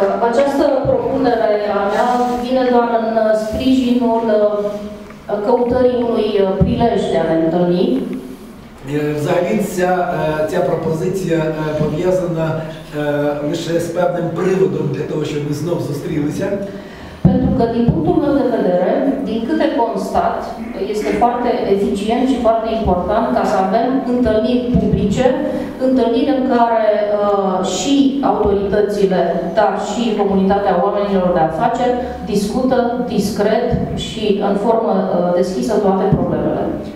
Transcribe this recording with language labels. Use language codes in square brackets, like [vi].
[ro] Această propunere a mea vine doar în sprijinul căutării unui prilej de a ne întâlni. [uk] Взагалі ця пропозиція пов'язана лише з певним приводом для того, щоб ми знову зустрілися. [ro] Pentru că din punctul meu de vedere, din câte constat, este foarte eficient și foarte important ca să avem întâlniri publice, întâlniri în care și autoritățile, dar și comunitatea oamenilor de afaceri discută discret și în formă deschisă toate problemele.